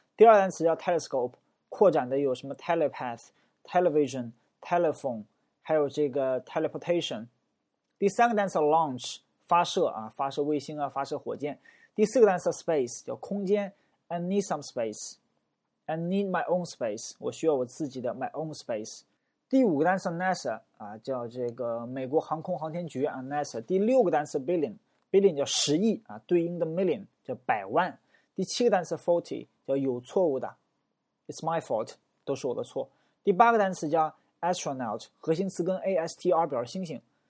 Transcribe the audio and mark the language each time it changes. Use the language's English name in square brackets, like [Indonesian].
[Chinese] 第二单词叫 telescope， 扩展的有什么 telepath，television，telephone， 还有这个 teleportation。第三个单词 launch， 发射啊，发射卫星啊，发射火箭。第四个单词 space， 叫空间 ， [English] I need some space。 I need my own space， [Chinese] 我需要我自己的 [English] my own space。 [Chinese] 第五个单词 NASA、啊、叫这个美国航空航天局、啊、NASA。第六个单词 billion， billion 叫十亿、啊、对应的 million 叫百万。第七个单词 faulty 叫有错误的， [English] it's my fault， [Chinese] 都是我的错。第八个单词叫 astronaut， 核心词根 AST-R 表示星星。